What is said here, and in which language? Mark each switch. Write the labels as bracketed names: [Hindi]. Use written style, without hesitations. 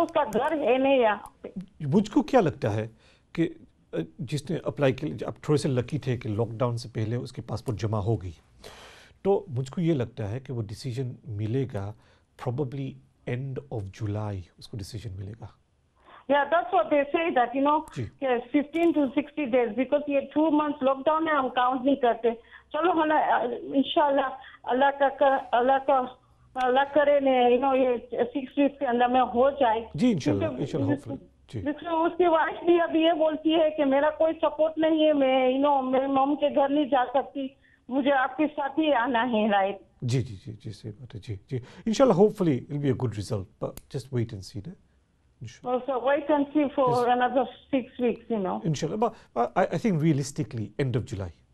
[Hindi] उसका घर है नहीं यहाँ पे. मुझको क्या लगता है कि जिसने अप्लाई किया, आप थोड़े से लकी थे कि लॉकडाउन से पहले उसके पासपोर्ट जमा हो गई, तो मुझको ये लगता है कि वो डिसीजन मिलेगा प्रोबेबली एंड ऑफ जुलाई, उसको डिसीजन मिलेगा. [English] Yeah, that's what they say that, you know, 15 to 60 days, because [Hindi] ये 2 months lockdown है, हम count नहीं करते. चलो हमें इंशाल्लाह अल्लाह करे ने, [English] you know, [Hindi] ये 6 weeks के अंदर में हो जाए. जी, इंशाल्लाह, hopefully. जी. उसकी वाइफ भी अभी ये बोलती है कि मेरा कोई सपोर्ट नहीं है, मैं [English] you know [Hindi] मेरे मम के घर नहीं जा सकती, मुझे आपके साथ ही आना है. राइट. जी जी जी जी, सही बात है. जी जी, [English] इंशाल्लाह, hopefully it will be a good result, but just wait and see. Well, so wait and see for another 6 weeks, you know. Inshallah. But I think realistically, end of July.